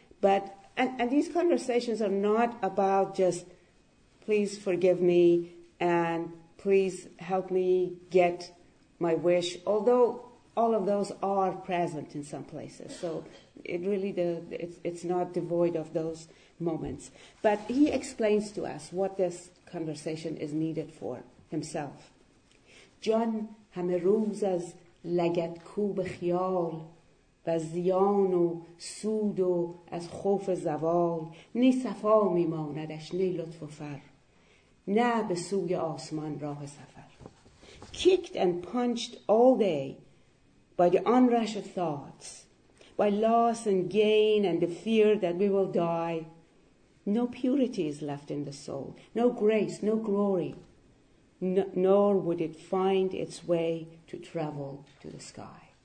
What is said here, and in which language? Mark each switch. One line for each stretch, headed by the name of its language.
English: But and these conversations are not about just, please forgive me and please help me get my wish, although all of those are present in some places. So it really, it's not devoid of those moments. But he explains to us what this conversation is needed for himself.
Persian: جان همه روز از لگت کوب خیال و زیان و سود و از خوف زوال نی صفا میماندش نی لطف و فر نه به سوی آسمان راه سفر.
English: Kicked and punched all day by the onrush of thoughts, by loss and gain and the fear that we will die, no purity is left in the soul, no grace, no glory, nor would it find its way to travel to the sky.